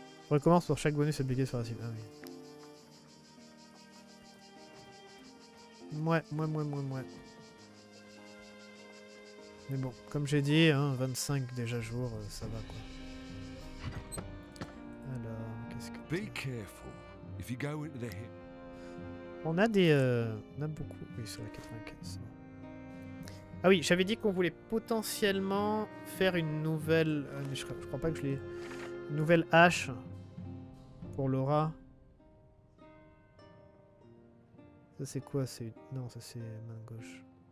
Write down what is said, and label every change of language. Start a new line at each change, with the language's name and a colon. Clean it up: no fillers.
French: On recommence pour chaque bonus appliqué sur la cible. Ah oui. Ouais. Mais bon, comme j'ai dit, hein, 25 déjà jours, ça va quoi. Alors, qu'est-ce que...
English: Be careful if you go into the hill.
French: On a des... on a beaucoup. Oui, sur la 95. Ah oui, j'avais dit qu'on voulait potentiellement faire une nouvelle... je crois pas que je l'ai... Une nouvelle hache pour Laura. Ça c'est quoi? C'est une... Non, ça c'est main gauche.